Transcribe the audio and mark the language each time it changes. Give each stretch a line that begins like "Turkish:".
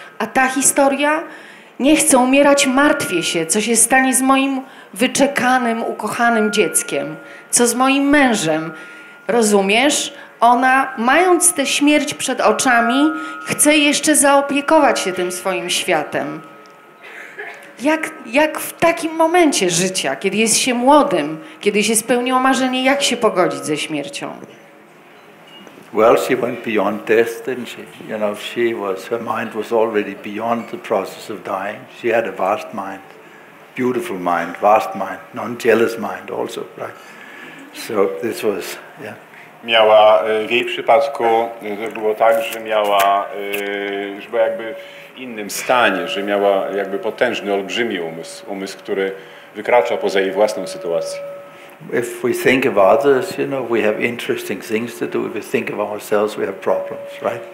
Polish: A ta historia, nie chcę umierać, martwię się, co się stanie z moim wyczekanym, ukochanym dzieckiem, co z moim mężem, rozumiesz? Ona, mając tę śmierć przed oczami, chce jeszcze zaopiekować się tym swoim światem. Jak w takim momencie życia, kiedy jest się młodym, kiedy się spełniło marzenie, jak się pogodzić ze śmiercią?
English: Well, she went beyond death, didn't she? You know, her mind was already beyond the process of dying. She had a vast mind, beautiful mind, vast mind, non-jealous mind also, right? So this was, yeah.
Polish: Miała, w jej przypadku było tak, że miała, że była jakby w innym stanie, że miała jakby potężny, olbrzymi umysł, umysł, który wykracza poza jej własną sytuację.
English: If we think of others, you know, we have interesting things to do. If we think of ourselves, we have problems, right?